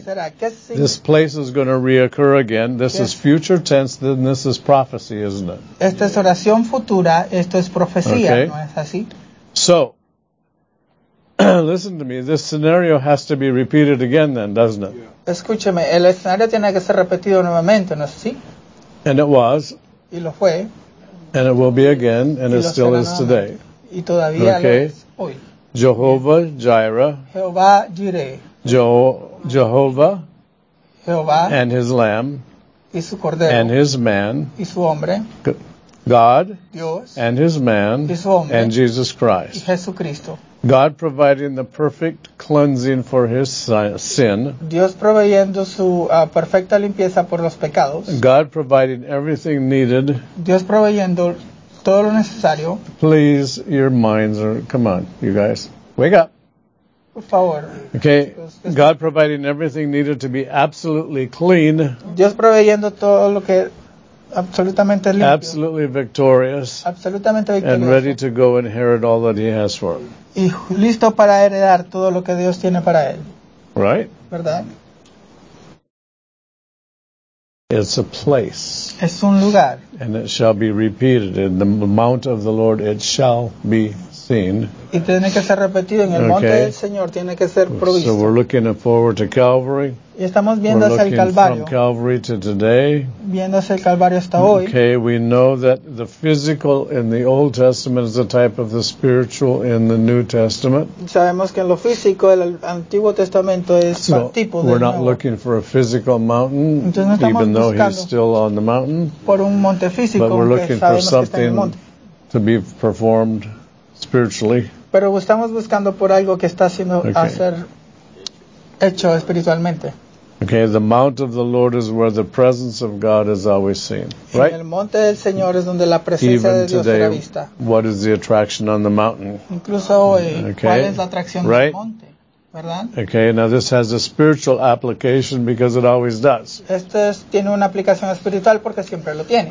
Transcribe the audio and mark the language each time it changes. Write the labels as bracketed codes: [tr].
[es] Será, [en] this place is going to reoccur again. This is future tense, then this is prophecy, isn't it? [es] Esta es oración futura, esto es profecía, ¿No es así? [en] So, listen to me. This scenario has to be repeated again then, doesn't it? Yeah. [es] Escúcheme, el escenario tiene que ser repetido nuevamente, ¿no es así? [en] And it was. [es] Y lo fue. [en] And it will be again, and it still is today. [es] Y todavía [en] okay. [es] Lo es hoy. [en] Jehovah Jireh. [es] Jehová Jireh. [en] Jehovah, Jehovah and his lamb [es] y su cordero, [en] and his man [es] y su hombre, [en] God [es] Dios, [en] and his man [es] y su hombre, [en] and Jesus Christ [es] y Jesucristo. [en] God providing the perfect cleansing for his sin. [es] Dios proveyendo su perfecta limpieza por los pecados. [en] God providing everything needed. [es] Dios proveyendo todo lo necesario. [en] Please, your minds are, come on, you guys, wake up. Okay, God providing everything needed to be absolutely clean. [es] Dios proveyendo todo lo que absolutamente limpio. [en] Absolutely victorious. [es] Absolutamente victorioso. [en] And ready to go inherit all that He has for him. [es] Y listo para heredar todo lo que Dios tiene para él. [en] Right? [es] ¿Verdad? [en] It's a place. [es] Es un lugar. [en] And it shall be repeated in the mount of the Lord. It shall be. [es] Y tiene que ser repetido en el monte [en] okay. [es] Del Señor, tiene que ser provisto. [en] So we're looking forward to Calvary. [es] Y estamos viendo [en] we're [es] hacia el Calvario. [en] From Calvary to today. [es] Viendo hacia el Calvario hasta hoy. [en] Okay, we know that the physical in the Old Testament is a type of the spiritual in the New Testament. [es] Sabemos que en lo físico el Antiguo Testamento es [en] so [es] tipo [en] we're not [es] nuevo. [en] Looking for a physical mountain, [es] no estamos [en] even though he's still on the mountain. [es] Por un monte físico, [en] but we're looking for something to be performed. Spiritually. [es] Pero estamos buscando por algo que está siendo okay. Hacer hecho espiritualmente. [en] Okay, the mount of the Lord is where the presence of God is always seen. Right? [es] En el monte del Señor es donde la presencia [en] even [es] de Dios [en] today, [es] será vista. [en] What is the attraction on the mountain? [es] Incluso hoy, [en] okay. [es] ¿Cuál es la atracción [en] right? [es] Del monte? ¿Verdad? [en] Okay, now this has a spiritual application because it always does. [es] Esto es, tiene una aplicación espiritual porque siempre lo tiene.